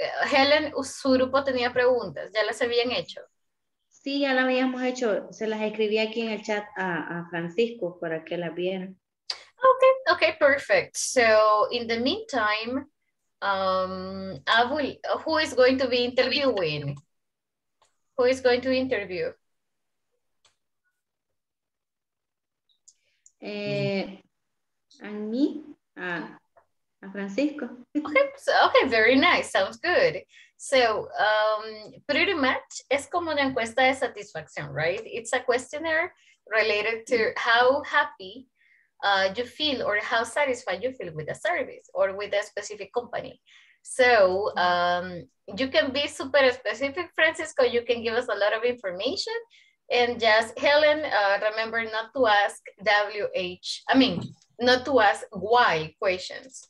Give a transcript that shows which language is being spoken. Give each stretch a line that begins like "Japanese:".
Spanish: Helen, su grupo tenía preguntas, ¿ya las habían hecho? Sí, ya las habíamos hecho. Se las escribí aquí en el chat a Francisco para que las vieran.
English: Okay, perfect. So in the meantime, who is going to be interviewing? Who is going to interview? And me, a Francisco. Okay, very nice. Sounds good.
Spanish: So pretty much es como una encuesta de satisfacción, right?
English: It's a questionnaire related to how happy you feel or how satisfied you feel with the service or with a specific company. So you can be super specific, Francisco. You can give us a lot of information. And just Helen, remember not to ask why questions.